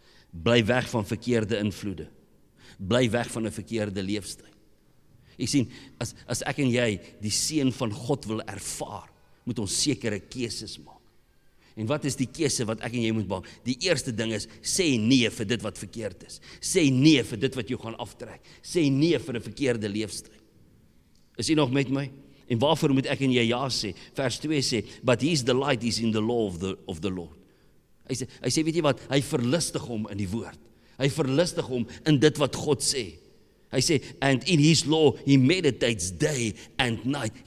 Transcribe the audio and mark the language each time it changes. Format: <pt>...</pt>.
<af>Bly weg van verkeerde invloede. Bly weg van 'n verkeerde leefstyl. Jy sien, as ek en jy die seën van God wil ervaar, moet ons sekere keuses maak. En wat is die keuse wat ek en jy moet maak? Die eerste ding is, sê nee vir dit wat verkeerd is. Sê nee vir dit wat jou gaan aftrek. Sê nee vir 'n verkeerde leefstyl. Is jy nog met my? En waarvoor moet ek en jy ja sê? Vers 2 sê,</af> <en>but his delight is in the law of the Lord.</en> <af>Hy sê, weet jy wat, hy verlustig hom in die woord. Hy verlustig hom in dit wat God sê. Hy sê,</af> <en>and in his law he meditates day and night.</en>